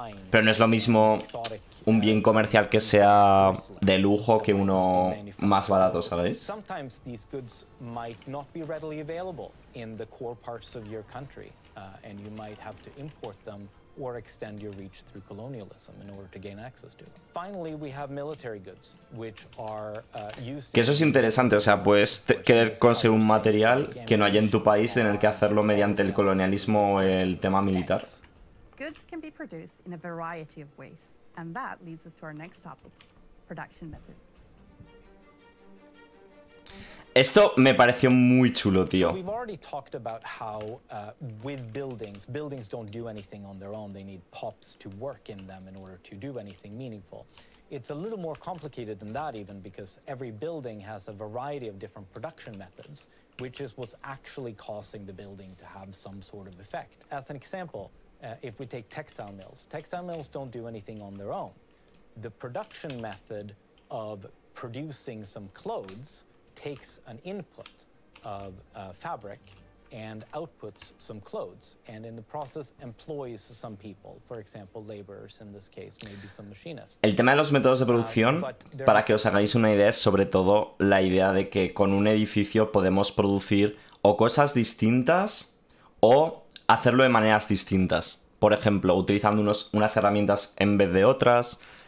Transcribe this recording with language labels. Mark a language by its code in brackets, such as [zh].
[es] Pero no es lo mismo un bien comercial que sea de lujo que uno más barato, ¿sabéis? [en] Sometimes these goods might not be readily available in the core parts of your country, and you might have to import them or extend your reach through colonialism in order to gain access to. Finally, we have military goods, which are used. [es] Que eso es interesante, o sea, puedes querer conseguir un material que no haya en tu país y tener que hacerlo mediante el colonialismo o el tema militar. [en] Goods can be produced in a variety of ways, and that leads us to our next topic, production methods. [es] Esto me pareció muy chulo, tío. [en] We've already talked about how with buildings don't do anything on their own. They need pops to work in them in order to do anything meaningful. It's a little more complicated than that even, because every building has a variety of different production methods, which is what's actually causing the building to have some sort of effect. As an example, if we take textile mills don't do anything on their own. The production method of producing some clothes takes an input of fabric and outputs some clothes, and in the process employs some people, for example, laborers in this case, maybe some machinists. [es] El tema de los métodos de producción, para que os hagáis una idea, es sobre todo la idea de que con un edificio podemos producir o cosas distintas o hacerlo de maneras distintas. Por ejemplo, utilizando unas herramientas en vez de otras.